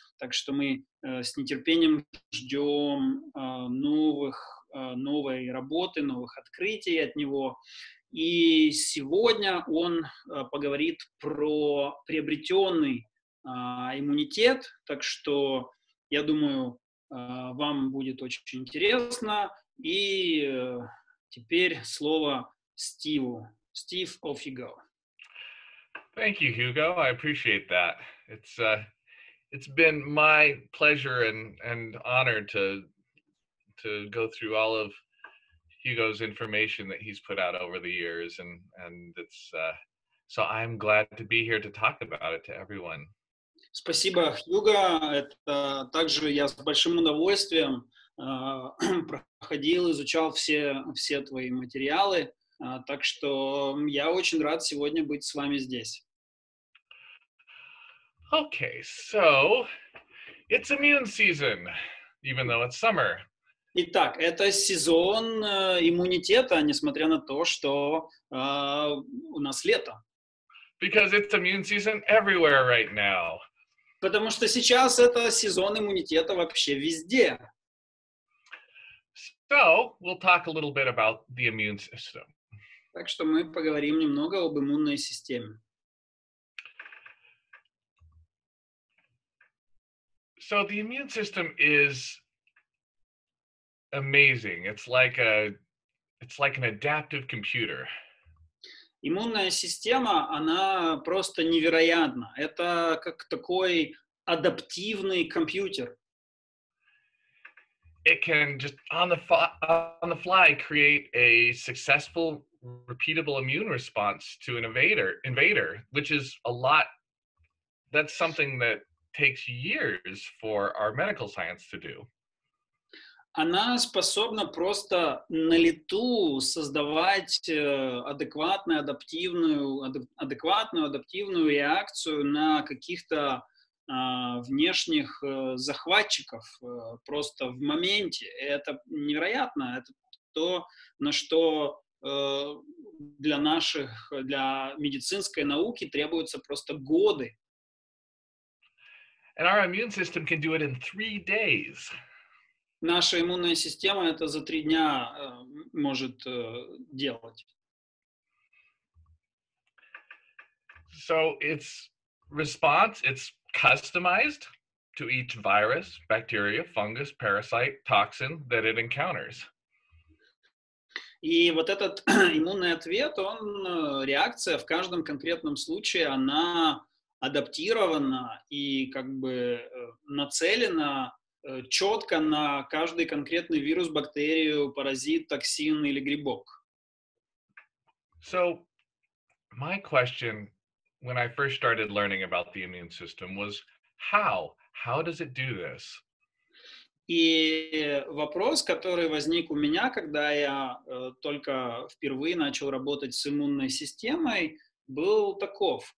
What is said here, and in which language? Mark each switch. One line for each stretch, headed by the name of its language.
Russian: Так что мы с нетерпением ждем новой работы, новых открытий от него. И сегодня он поговорит про приобретенный иммунитет. Так что, я думаю, вам будет очень интересно. И теперь слово Стиву.
English: Стив, off you go. Thank you, Hugo. I appreciate that. It's been my pleasure and honor to go through all of Hugo's information that he's put out over the years, and it's so I'm glad to be here to talk about it to everyone.
Russian: Спасибо, Хьюго. Это также я с большим удовольствием проходил, изучал все твои материалы, так что я очень рад сегодня быть с вами здесь.
English: Okay, so it's immune season, even though it's summer.
Russian: Итак, это сезон иммунитета, несмотря на то, что у нас лето.
English: Because it's immune season everywhere right now.
Russian: Потому что сейчас это сезон иммунитета вообще везде.
English: So we'll talk a little bit about the immune system.
Russian: Так что мы поговорим немного об иммунной системе.
English: So the immune system is amazing. It's like an adaptive computer.
Russian: Иммунная система, она просто невероятна. Это как такой адаптивный компьютер.
English: It can just on the fly create a successful, repeatable immune response to an invader, which is a lot. That's something that takes years for our medical science to do.
Russian: Она способна просто на лету создавать адекватную адаптивную реакцию на каких-то внешних захватчиков просто в моменте. Это невероятно. Это то, на что для медицинской науки требуются просто годы.
English: And our immune system can do it in 3 days.
Russian: Наша иммунная система это за 3 дня может делать.
English: So its response, it's customized to each virus, bacteria, fungus, parasite, toxin that it encounters.
Russian: И вот этот иммунный ответ, он реакция в каждом конкретном случае, она адаптирована и как бы нацелена четко на каждый конкретный вирус, бактерию, паразит, токсин или грибок.
English: So, my question when I first started learning about the immune system was how? How does it do this?
Russian: И вопрос, который возник у меня, когда я только впервые начал работать с иммунной системой, был таков.